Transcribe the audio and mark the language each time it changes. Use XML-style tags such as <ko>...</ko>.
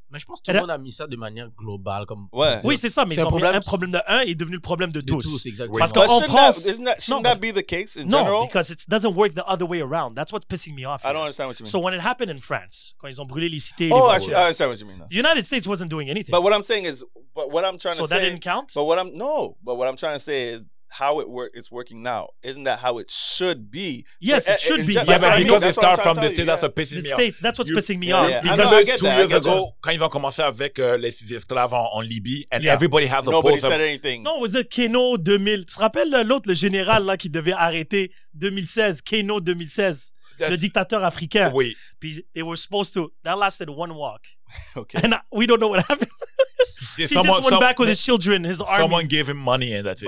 <fr>Mais je pense que tout le monde a mis ça de manière globale. Comme ouais. Oui, c'est ça. Mais un problème de un est devenu le problème de tous. De tous, exactly. Parce qu'en France...</fr> <en>Shouldn't that be the case in general? No, because it doesn't work the other way around. That's what's pissing me off. I don't understand what you mean. So when it happened in France,</en> <fr>quand ils ont brûlé les cités...</fr> <en>Oh, I understand what you mean. The United States wasn't doing anything. But what I'm saying is... But what I'm trying to say... So that didn't count? But what I'm trying to say is... How it's working now. Isn't that how it should be? Yes, it should be. Yeah, but because it starts from the state, that's pissing me off. The state, that's what's pissing me off. Because 2 years ago, when they started with the esclaves in Libya, and everybody had the pose. Nobody said anything. No, was it Keno 2000?</en> <fr>Tu te rappelles l'autre, le général là qui devait arrêter 2016, Keno 2016, le dictateur africain. Oui.</fr> <en>Puis they were supposed to. That lasted one walk. Okay. And we don't know what happened. His army. Someone gave him money and that's it.</en>